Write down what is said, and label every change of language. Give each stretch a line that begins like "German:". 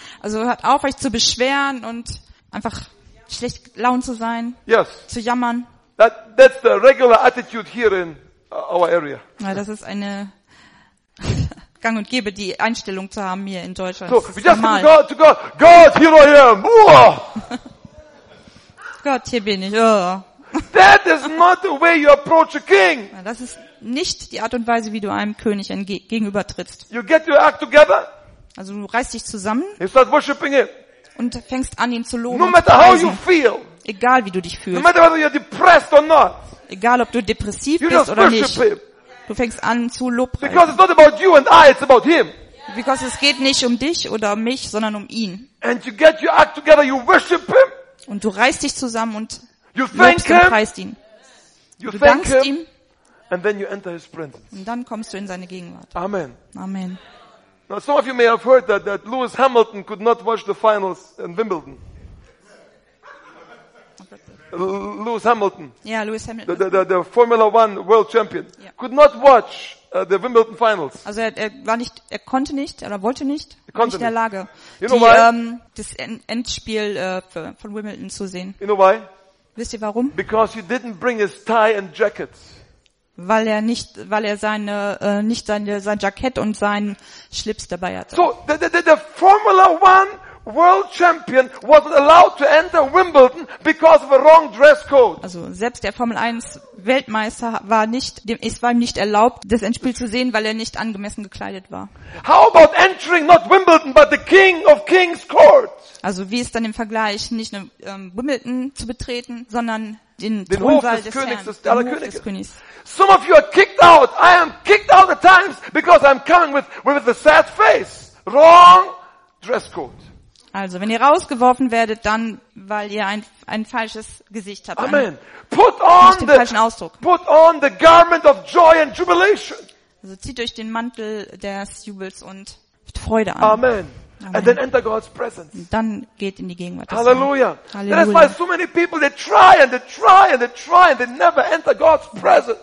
German: Also hört auf, euch zu beschweren und einfach schlecht gelaunt zu sein.
English: Yes.
German: Zu jammern.
English: That's the regular attitude here in our area.
German: Ja, das ist eine gang und gäbe, die Einstellung zu haben hier in Deutschland.
English: So, we just normal. To God. God, here I am.
German: Gott, hier bin ich.
English: That is not the way you approach a king.
German: Das ist nicht die Art und Weise, wie du einem König gegenübertrittst.
English: You get your act together.
German: Also du reißt dich zusammen.
English: You start worshiping him.
German: Und fängst an, ihn zu loben.
English: No matter how you feel.
German: Egal wie du dich fühlst.
English: No matter whether you're depressed or not.
German: Egal ob du depressiv bist oder nicht.
English: Him.
German: Du fängst an zu loben.
English: Because it's not about you and I, it's about him.
German: Because es geht nicht um dich oder um mich, sondern um ihn.
English: And you get your act together, you worship him.
German: Und du reißt dich zusammen und lobst und preist ihn.
English: You
German: du dankst ihm.
English: And then you enter his presence.
German: Und dann kommst du in seine Gegenwart.
English: Amen.
German: Amen.
English: Now some of you may have heard that Lewis Hamilton could not watch the finals in Wimbledon. Lewis Hamilton. Yeah, Lewis Hamilton. The Formula One World Champion. Yeah. Could not watch the Wimbledon finals.
German: Also er wollte nicht. He konnte nicht in der Lage.
English: You know why?
German: Das Endspiel von Wimbledon zu sehen.
English: You know why?
German: Wisst ihr warum?
English: Because he didn't bring his tie and jacket.
German: Weil er sein Jackett und seinen Schlips dabei hatte.
English: So the Formula One World Champion was allowed to enter Wimbledon because of a wrong dress code.
German: Also selbst der Formel 1 Weltmeister war nicht, dem ist ihm nicht erlaubt, das Endspiel zu sehen, weil er nicht angemessen gekleidet war.
English: How about entering not Wimbledon but the King of Kings Court?
German: Also wie ist dann im Vergleich nicht nur Wimbledon zu betreten, sondern den Thronsaal des Königs.
English: Some of you are kicked out. I am kicked out at times because I'm coming with a sad face. Wrong dress code.
German: Also, wenn ihr rausgeworfen werdet, dann weil ihr ein falsches Gesicht habt.
English: Amen. Put on the garment of joy and jubilation.
German: Also zieht euch den Mantel des Jubels und Freude an.
English: Amen. And then enter God's presence.
German: Dann geht in die Gegenwart.
English: Hallelujah.
German: Halleluja.
English: That's why so many people they try and they never enter God's presence.